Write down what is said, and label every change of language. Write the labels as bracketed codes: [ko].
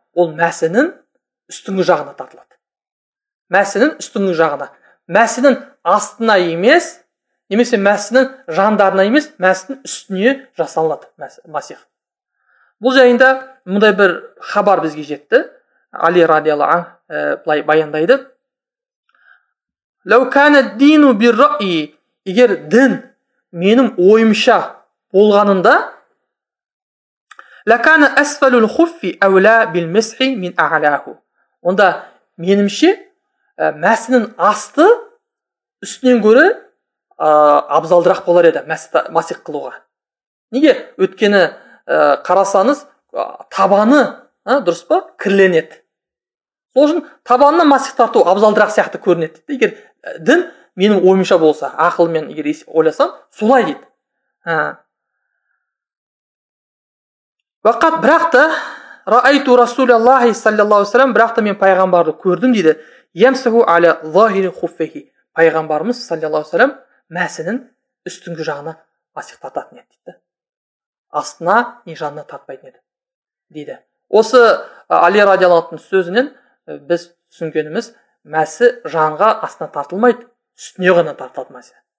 [kk] ол мәсінің үстіңгі жағына тартылады. Мәсінің үстіңгі жағына. Мәсінің астына емес, немесе мәсінің жандарына емес, мәсінің үстіне жасалады мәсіх. Бұл жайында мұндай бір хабар бізге жетті. Али радиалы былай баяндайды. [ar] Лау кәне дину бір рай, [kk] егер дін менің ойымша болғанында, [ar] лакана асфалул хуффи аула бил масхи мин аалаху. [kk] Онда менімше мәсінің асты үстінен көрі абзалдырақ болар еді масих қылуға. Неге? Өткені қарасаңыз табаны, дұрыс па? Кірленеді. Сол үшін табанына масих тарту абзалдырақ сияқты көрінеді. Егер дін менің ойымша болса, ақылмен егер ойласам, солай дейді. Вақат бірақ та [ar] Ра'айту Расулаллахи [kk] саллаллаху алейхи салям, бірақ та мен пайғамбарды көрдім дейді. [ar] Ямсаху аля захири хуффихи. [kk] Пайғамбарымыз саллаллаху алейхи салям мәсінің үстіңгі жағына масих тартатын еді дейді. Астына не жанына тартпайтын еді дейді. Осы Али радиаллаһу анхтың сөзінен біз түсінгеніміз, мәсі жанға астына тартылмайды, үстіне ғана тартылады мәсі.